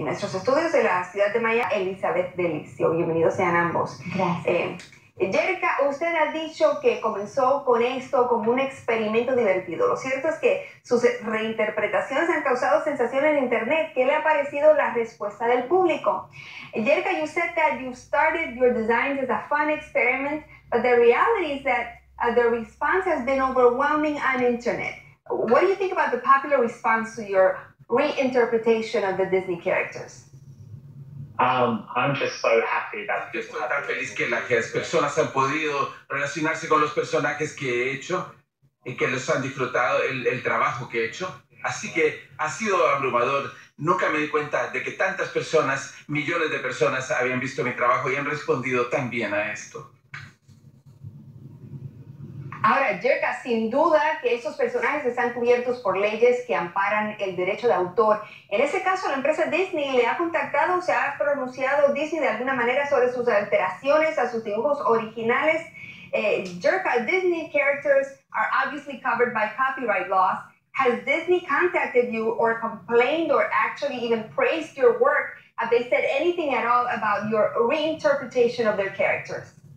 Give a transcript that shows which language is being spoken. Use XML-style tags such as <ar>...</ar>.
<es>En nuestros estudios de la ciudad de Maya, Elizabeth Delicio. Bienvenidos sean ambos. Gracias. Jerka, usted ha dicho que comenzó con esto como un experimento divertido. Lo cierto es que sus reinterpretaciones han causado sensación en Internet. ¿Qué le ha parecido la respuesta del público?</es> <en>Jerka, you said that you started your designs as a fun experiment, but the reality is that the response has been overwhelming on the Internet. What do you think about the popular response to your reinterpretation of the Disney characters? I'm just so happy that people</en> <es>estoy tan feliz que las personas han podido relacionarse con los personajes que he hecho y que los han disfrutado el trabajo que he hecho. Así que ha sido abrumador. Nunca me di cuenta de que tantas personas, millones de personas, habían visto mi trabajo y han respondido tan bien a esto. Ahora, Jerka, sin duda que esos personajes están cubiertos por leyes que amparan el derecho de autor. En ese caso, ¿la empresa Disney le ha contactado o se ha pronunciado Disney de alguna manera sobre sus alteraciones a sus dibujos originales?</es> <en>Jerka, Disney characters are obviously covered by copyright laws. Has Disney contacted you or complained or actually even praised your work? Have they said anything at all about your reinterpretation of their characters?</en>